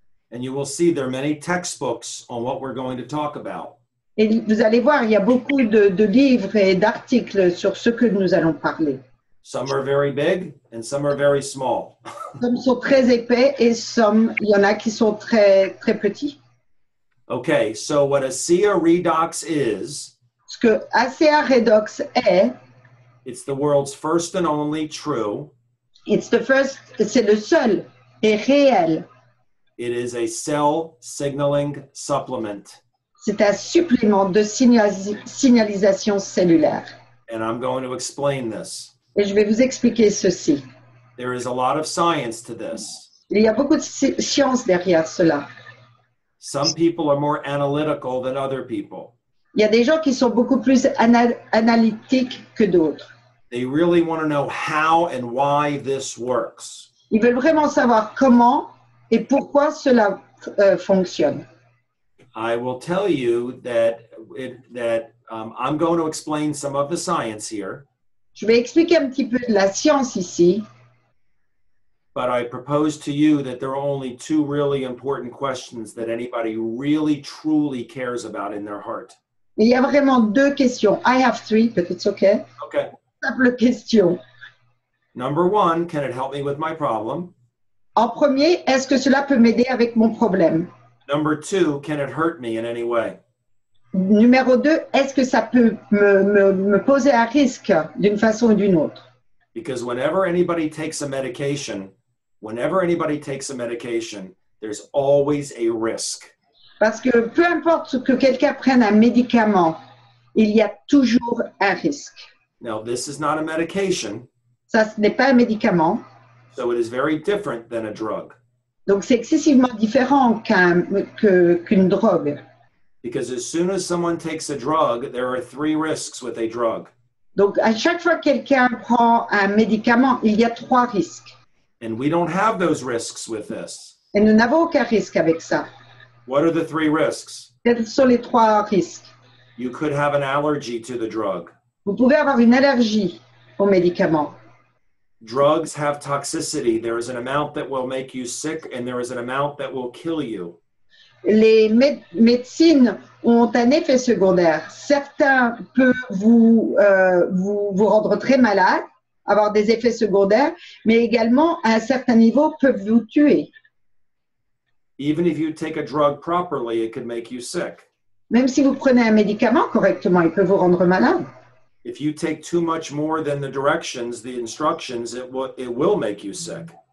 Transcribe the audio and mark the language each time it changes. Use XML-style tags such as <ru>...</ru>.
<en>And you will see there are many textbooks on what we're going to talk about.</en> <fr>Et vous allez voir, il y a beaucoup de livres et d'articles sur ce que nous allons parler.</fr> <en>Some are very big and some are very small.</en> <fr>Some sont très épais et some, il y en a qui sont très très petits.</fr> <en>Okay, so what ASEA Redox is.</en> <fr>Ce que ASEA Redox est,</fr> <en>it's the world's first and only true. It's the first,</en> <fr>c'est le seul et réel.</fr> <en>It is a cell signaling supplement.</en> <fr>C'est un supplément de signalisation cellulaire.</fr> <en>And I'm going to explain this.</en> <fr>Et je vais vous expliquer ceci.</fr> <en>There is a lot of science to this.</en> <fr>Il y a beaucoup de science derrière cela.</fr> <en>Some people are more analytical than other people.</en> <fr>Il y a des gens qui sont beaucoup plus analytiques que d'autres.</fr> <en>They really want to know how and why this works.</en> <fr>Ils veulent vraiment savoir comment et pourquoi cela fonctionne.</fr> <en>I will tell you I'm going to explain some of the science here.</en> <fr>Je vais expliquer un petit peu de la science ici.</fr> <en>But I propose to you that there are only two really important questions that anybody really truly cares about in their heart.</en> <fr>Il y a vraiment deux questions.</fr> <en>I have three, but it's okay. Okay. Simple question. Number one, can it help me with my problem?</en> <fr>En premier, est-ce que cela peut m'aider avec mon problème?</fr> <en>Number two, can it hurt me in any way?</en> <fr>Numéro deux, est-ce que ça peut me poser un risque d'une façon ou d'une autre?</fr> <en>Because whenever anybody takes a medication, there's always a risk.</en> <fr>Parce que peu importe que quelqu'un prenne un médicament, il y a toujours un risque.</fr> <en>Now, this is not a medication.</en> <fr>Ça, ce n'est pas un médicament.</fr> <en>So it is very different than a drug.</en> <fr>Donc c'est excessivement différent qu'une drogue.</fr> <en>Because as soon as someone takes a drug, there are three risks with a drug.</en> <fr>Donc à chaque fois que quelqu'un prend un médicament, il y a trois risques.</fr> <en>And we don't have those risks with this.</en> <fr>Et nous n'avons aucun risque avec ça.</fr> <en>What are the three risks?</en> <fr>Quels sont les trois risques?</fr> <en>You could have an allergy to the drug.</en> <fr>Vous pouvez avoir une allergie aux médicaments.</fr> <en>Drugs have toxicity. There is an amount that will make you sick and there is an amount that will kill you.</en> <fr>Les médecines ont un effet secondaire. Certains peuvent vous rendre très malade, avoir des effets secondaires, mais également à un certain niveau peuvent vous tuer.</fr> <en>Even if you take a drug properly, it can make you sick.</en> <fr>Même si vous prenez un médicament correctement, il peut vous rendre malade.</fr> <en>If you take too much more than the directions, the instructions, it will make you sick.</en>